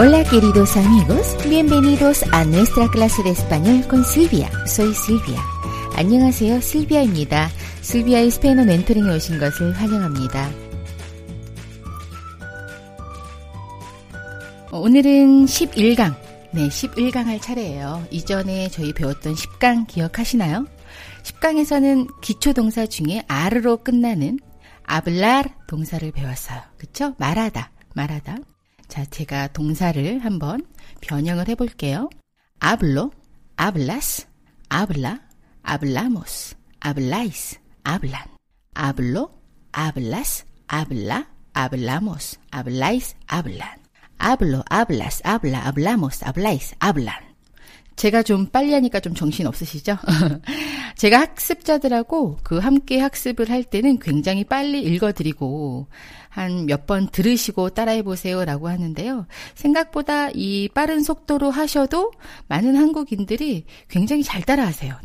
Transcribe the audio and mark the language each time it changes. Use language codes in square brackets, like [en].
[es] Queridos amigos, bienvenidos a nuestra clase de español con Silvia. Soy Silvia. [ko] 안녕하세요, 실비아입니다. 실비아의 스페인어 멘토링에 오신 것을 환영합니다. 오늘은 11강, 네, 11강 할 차례예요. 이전에 저희 배웠던 10강 기억하시나요? 10강에서는 기초동사 중에 R로 끝나는 hablar 동사를 배웠어요. 그쵸? 말하다, 말하다. 자, 제가 동사를 한번 변형을 해볼게요. [es] Hablo, hablas, habla, hablamos, habláis, hablan. Hablo, hablas, habla, hablamos, habláis, hablan. Hablo, hablas, habla, hablamos, habláis, hablan. [ko] 제가 좀 빨리 하니까 좀 정신 없으시죠? 제가 학습자들하고 그 함께 학습을 할 때는 굉장히 빨리 읽어드리고 한 몇 번 들으시고 따라해보세요 라고 하는데요. 생각보다 이 빠른 속도로 하셔도 많은 한국인들이 굉장히 잘 따라하세요.